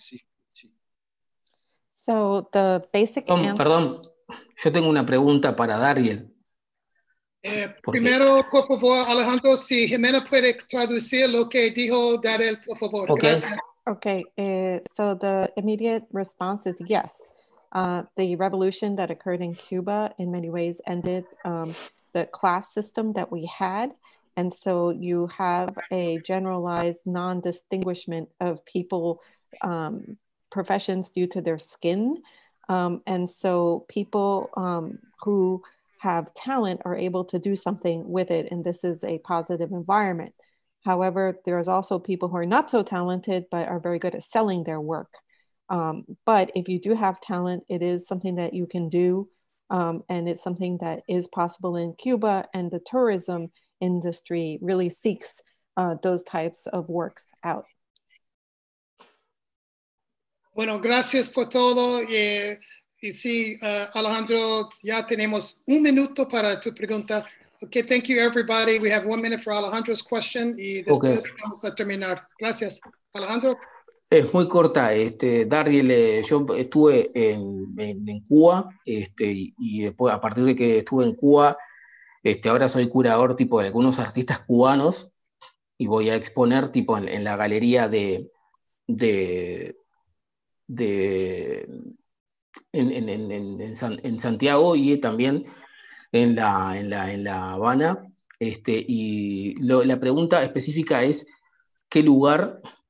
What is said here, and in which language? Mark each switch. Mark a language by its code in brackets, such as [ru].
[es] Sí, sí. [en] So the basic Tom, answer... [es] Perdón, yo tengo una pregunta para Dariel. Primero, por favor, Alejandro, si Jimena puede traducir lo que dijo Dariel, por favor. [en] Okay. [es] Gracias. [en] Okay, so the immediate response is yes. The revolution that occurred in Cuba in many ways ended the class system that we had. And so you have a generalized non-distinguishment of people, professions due to their skin. And so people who have talent are able to do something with it. And this is a positive environment. However, there is also people who are not so talented, but are very good at selling their work. But if you do have talent, it is something that you can do. And it's something that is possible in Cuba, and the tourism industry really seeks those types of works out. [es] Bueno, gracias por todo. Y sí, Alejandro, ya tenemos un minuto para tu pregunta. [en] Okay, thank you, everybody. We have 1 minute for Alejandro's question [es] y después vamos a terminar. Gracias, Alejandro. Es muy corta, Dariel, yo estuve en Cuba, y después, a partir de que estuve en Cuba, ahora soy curador tipo de algunos artistas cubanos y voy a exponer tipo en la galería en Santiago y también en la Habana, y la pregunta específica es qué lugar